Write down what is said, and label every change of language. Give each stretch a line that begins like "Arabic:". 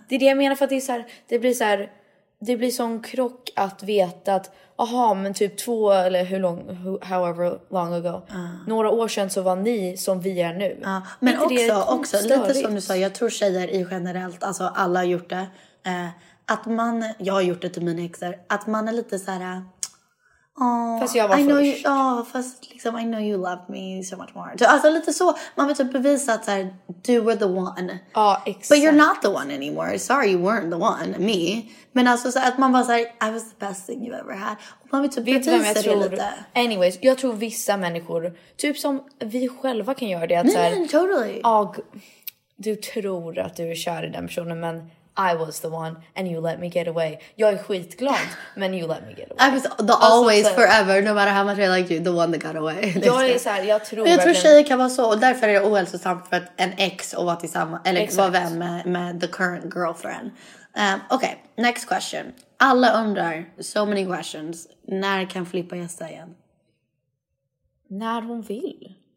Swedish: Det är det jag menar, för att det är så här, det blir så här, det blir sån krock att veta att aha, men typ två eller hur lång,
English: however long ago.
Swedish: Några år sedan så var ni som vi är nu. Men också lite som du sa, jag tror tjejer i generellt, alltså alla har gjort det, att man, jag har gjort det till mina exer, att man är lite så här, fast jag var I först. Fast liksom,
English: I know you love me so much more.
Swedish: Så, alltså lite så, man vill typ bevisa att så här, du
English: were the one.
Swedish: Ja, exakt.
English: But you're not the one anymore. Sorry, you weren't the one, me.
Swedish: Men alltså så här,
English: att man var så här, I was the best thing you've ever had.
Swedish: Och man vill typ bevisa det lite. Anyways, jag tror vissa människor, typ som vi själva kan göra det. Att nej, så här, nej, totally. Och, du tror att du är kär i den personen, men...
English: I was the one and you let me get away.
Swedish: Jag är skitglad, men
English: you let me get away. I was the always, så, forever, no matter how much I liked you, the one that got away.
Swedish: Jag tror tjejer kan vara så, och därför är det ohälsosamt för att en ex att vara tillsammans, eller exactly. Vara vän med
English: the current girlfriend.
Swedish: Okej, next question. Alla undrar,
English: so many questions,
Swedish: när kan Filippa gästa igen? När hon vill.